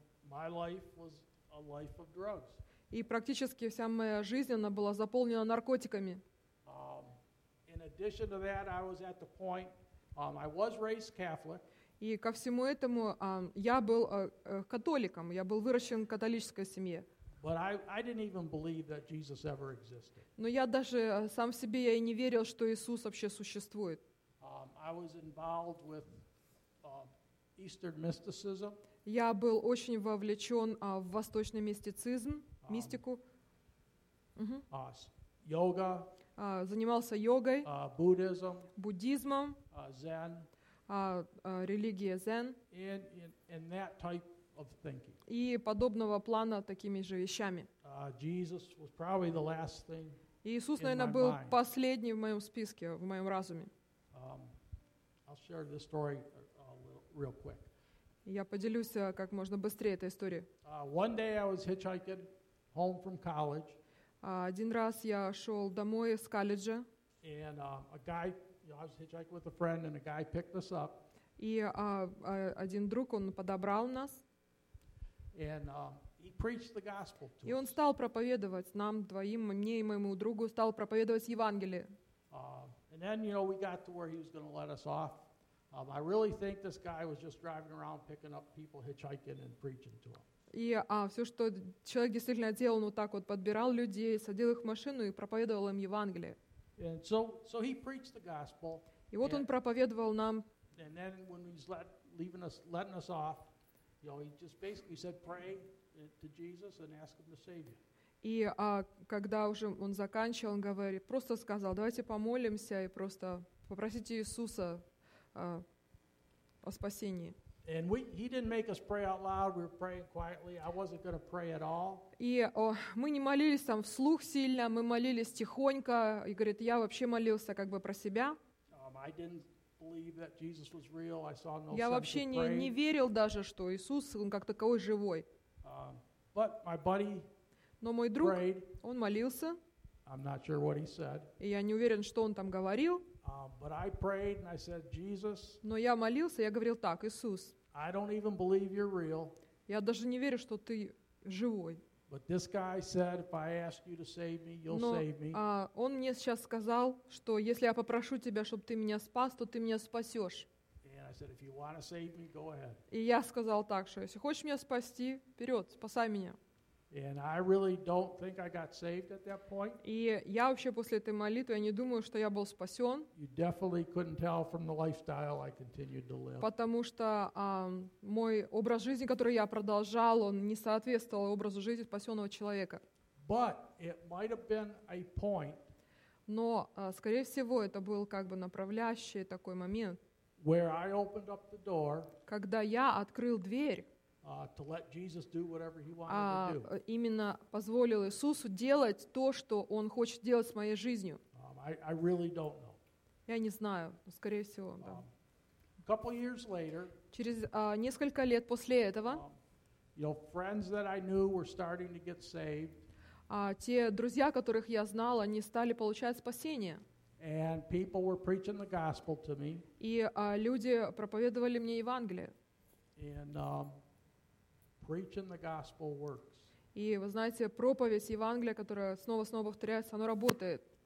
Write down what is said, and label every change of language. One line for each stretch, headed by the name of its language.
English: My life was a life of drugs.
Russian: И практически вся моя жизнь, она была заполнена наркотиками.
English: In addition to that, I was at the point, I was raised Catholic.
Russian: И ко всему этому я был католиком, я был выращен в католической семье.
English: But I didn't even believe that Jesus ever existed.
Russian: Но я даже сам в себе я и не верил, что Иисус вообще существует.
English: I was involved with, Eastern mysticism.
Russian: Я был очень вовлечен в восточный мистицизм, мистику. Йога. Занимался йогой. Буддизм. Буддизмом. Зен. Религия Зен.
English: And that type of thinking.
Russian: И подобного плана такими же вещами.
English: Jesus was probably the last thing.
Russian: Иисус, наверное, был последний в моем списке, в моем разуме.
English: I'll share this story real quick.
Russian: Я поделюсь как можно быстрее этой историей.
English: One day I was hitchhiking home from college.
Russian: Один раз я шел домой с колледжа.
English: And a guy. I was hitchhiking with a friend, and a guy picked us up.
Russian: И один друг, он подобрал нас.
English: And he preached the gospel to us.
Russian: И он стал проповедовать нам двоим, мне и моему другу, стал проповедовать Евангелие.
English: And then, we got to where he was going to let us off. I really think this guy was just driving around picking up people hitchhiking and preaching to them.
Russian: И все, что человек действительно делал, он вот так вот подбирал людей, садил их в машину и проповедовал им Евангелие.
English: And so he preached the gospel.
Russian: И вот он проповедовал нам.
English: And then when he's letting us off, he just basically said, pray to Jesus and ask him to save you.
Russian: И когда уже он заканчивал, он говорит, просто сказал: давайте помолимся и просто попросите Иисуса о спасении.
English: And he didn't make us pray out loud. We were praying quietly. I wasn't going to pray at all.
Russian: И мы не молились там вслух сильно. Мы молились тихонько. И говорит, я вообще молился как бы про себя.
English: I didn't believe that Jesus was real. I saw no sense.
Russian: Я вообще не верил даже, что Иисус он как таковой живой.
English: But my buddy.
Russian: Но мой друг, он молился.
English: I'm not sure what he said.
Russian: И я не уверен, что он там говорил.
English: But I prayed and I said, Jesus.
Russian: Но я молился, я говорил так, Иисус.
English: I don't even believe you're real.
Russian: Я даже не верю, что ты живой.
English: But this guy said, if I ask you to save me, you'll save me.
Russian: Он мне сейчас сказал, что если я попрошу тебя, чтобы ты меня спас, то ты меня спасешь.
English: And I said, if you want to save me, go ahead.
Russian: И я сказал так, что если хочешь меня спасти, вперед, спасай меня.
English: And I really don't think I got saved at that point.
Russian: И я вообще после этой молитвы, я не думаю, что я был спасен.
English: You definitely couldn't tell from the lifestyle I continued to live.
Russian: Потому что мой образ жизни, который я продолжал, он не соответствовал образу жизни спасенного человека.
English: But it might have been a point.
Russian: Но, скорее всего, это был как бы направляющий такой момент.
English: Where I opened up the door.
Russian: Когда я открыл дверь.
English: To let Jesus do whatever he wanted to do.
Russian: Именно позволил Иисусу делать то, что он хочет делать с моей жизнью.
English: I really don't know.
Russian: Я не знаю, но скорее всего, да.
English: Couple years later.
Russian: Через несколько лет после этого.
English: You know, friends that I knew were starting to get saved.
Russian: Те друзья, которых я знал, они стали получать спасение.
English: And people were preaching the gospel to me.
Russian: И люди проповедовали мне Евангелие.
English: And preaching the gospel works.
Russian: И вы знаете, проповедь Евангелия, которая снова-снова повторяется, она работает.